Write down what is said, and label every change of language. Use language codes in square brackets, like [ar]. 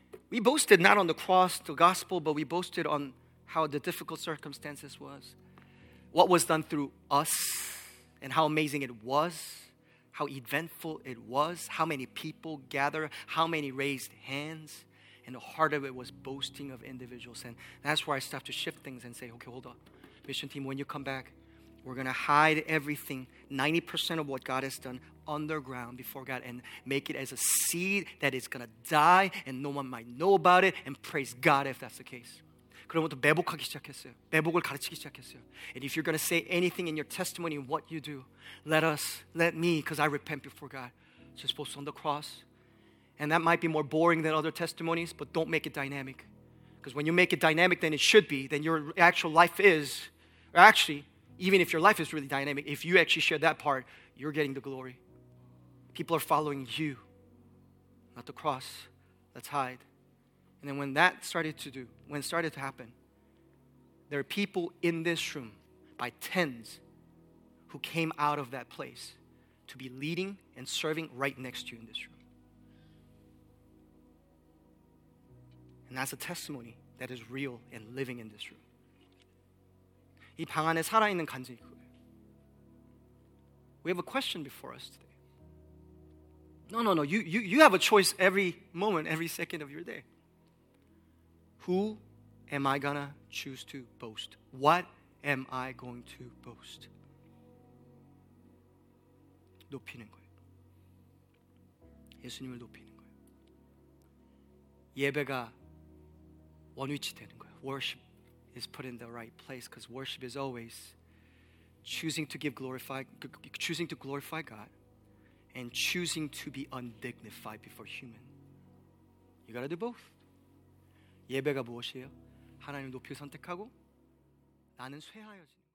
[en] We boasted not on the cross, the gospel, but we boasted on how the difficult circumstances was, what was done through us, and how amazing it was, how eventful it was, how many people gathered, how many raised hands, and the heart of it was boasting of individual sin. That's where I stopped to shift things and say, okay, hold on. Mission team, when you come back, we're going to hide everything, 90% of what God has done underground before God and make it as a seed that is going to die and no one might know about it and praise God if that's the case. [ko] 그러면 또 매복하기 시작했어요. 매복을 가르치기 시작했어요. [en] And if you're going to say anything in your testimony in what you do, let me, because I repent before God. Just post on the cross. And that might be more boring than other testimonies, but don't make it dynamic. Because when you make it dynamic, then it should be. Then your actual life is, or actually, even if your life is really dynamic, if you actually share that part, you're getting the glory. People are following you, not the cross. Let's hide. And then when it started to happen, there are people in this room by tens who came out of that place to be leading and serving right next to you in this room. And that's a testimony that is real and living in this room. [ko] 이 방 안에 살아있는 간증이고요. [en] We have a question before us today. No. You have a choice every moment, every second of your day. Who am I gonna choose to boast? What am I going to boast? [ko] 높이는 거예요. 예수님을 높이는 거예요. 예배가 원위치 되는 거예요. [en] Worship is put in the right place because worship is always choosing to glorify God and choosing to be undignified before human. You gotta do both. [ko] 예배가 무엇이에요? 하나님 높이 선택하고 나는 쇠하여지는